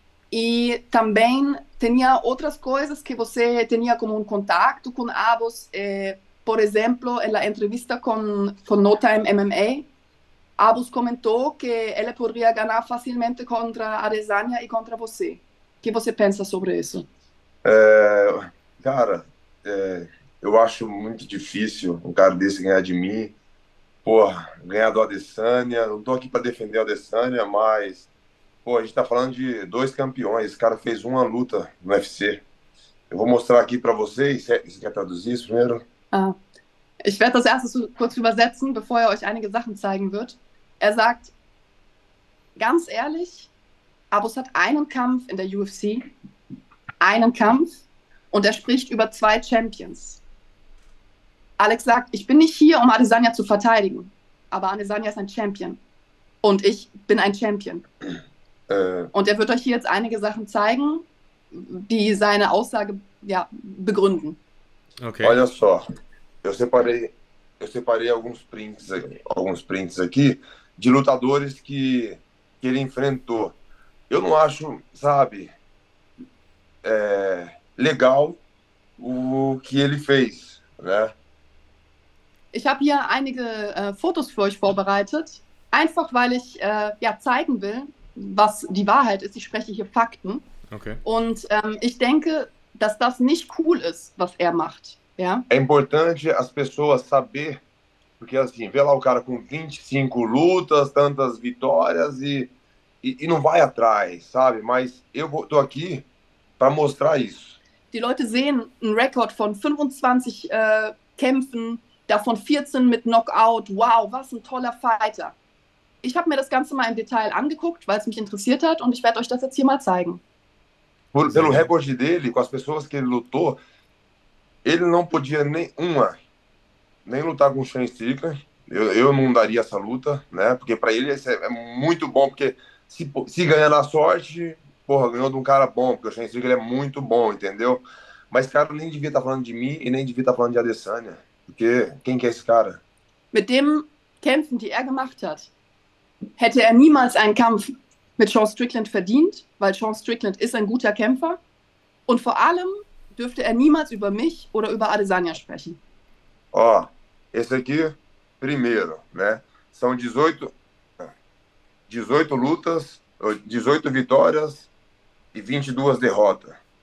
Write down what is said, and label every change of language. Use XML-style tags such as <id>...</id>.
<es>Y también tenía otras cosas que</es> <pt>você</pt> <es>tenía como un contacto con Abus. Por ejemplo, en la entrevista con No Time MMA. Abus comentó que él podría ganar fácilmente contra Adesanya y contra</es> <pt>você. O que você pensa sobre isso? Cara, eu acho muito difícil um cara desse ganhar de mim. Pô, ganhar do Adesanya, não tô aqui para defender o Adesanya, mas pô, a gente tá falando de dois campeões. Esse cara fez uma luta no UFC. Eu vou mostrar aqui para vocês. Você quer traduzir isso primeiro?</pt> <de>Ah, ich werde das erste kurz übersetzen, bevor er euch einige Sachen zeigen wird. Er sagt, ganz ehrlich, Abus hat einen Kampf in der UFC, einen Kampf, und er spricht über zwei Champions. Alex sagt, ich bin nicht hier, um Adesanya zu verteidigen, aber Adesanya ist ein Champion und ich bin ein Champion. Und er wird euch hier jetzt einige Sachen zeigen, die seine Aussage ja, begründen. Okay.</de> <pt>Olha só, eu separei alguns prints aqui de lutadores que ele enfrentou. Eu não acho, sabe, legal o que ele fez, né?</pt> <de>Ich habe hier einige Fotos für euch vorbereitet, einfach weil ich ja, zeigen will, was die Wahrheit ist. Ich spreche hier Fakten. Okay. Und ich denke, dass das nicht cool ist, was er macht. Ja?</de> <pt>É importante as pessoas saber, porque assim, vê lá o cara com 25 lutas, tantas vitórias e não vai atrás, sabe? Mas eu tô aqui para mostrar isso.</pt> <de>Die Leute sehen einen Rekord von 25 Kämpfen, davon 14 mit Knockout. Wow, was ein toller Fighter. Ich habe mir das Ganze mal im Detail angeguckt, weil es mich interessiert hat und ich werde euch das jetzt hier mal zeigen.</de> <pt>Pelo recorde dele, com as pessoas que ele lutou, ele não podia nem lutar com o Sean Strickland. Eu não daria essa luta, né? Porque para ele é muito bom, porque se ganhar na sorte, porra, ganhou de um cara bom, porque o Sean Strickland é muito bom, entendeu? Mas cara nem devia estar falando de mim e nem devia estar falando de Adesanya. Porque quem que é esse cara?</pt> <de>Mit dem Kämpfen, die gemacht hat, hätte niemals einen Kampf mit Sean Strickland verdient, weil Sean Strickland ist ein guter Kämpfer. Und vor allem dürfte niemals über mich oder über Adesanya sprechen.</de> <pt>Ó, esse aqui, primeiro, né? São 18 lutas, 18 vitórias e 22 derrotas.</pt>